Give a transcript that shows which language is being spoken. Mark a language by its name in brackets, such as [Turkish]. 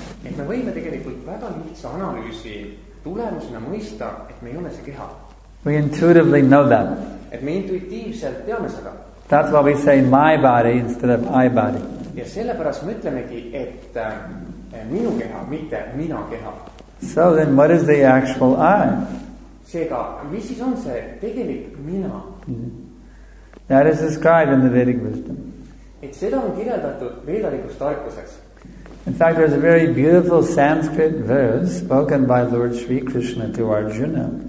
[Estonian] Et me võime tegelikult väga lihtsa analüüsi tulemusena mõista, et me ei ole see keha. [English] We intuitively know that. [Estonian] Et me intuitiivselt teame seda. [English] That's why we say my body instead of I body. [Estonian] Ja sellepärast me ütlemegi, et minu keha, mitte mina keha. [English] So then what is the actual I? [Estonian] Seega, mis siis on see tegelik mina? [English] That is described in the Vedic wisdom. [Estonian] Et seda on kirjeldatud veedalikus tarkuses. [English] In fact, there is a very beautiful Sanskrit verse spoken by Lord Sri Krishna to Arjuna.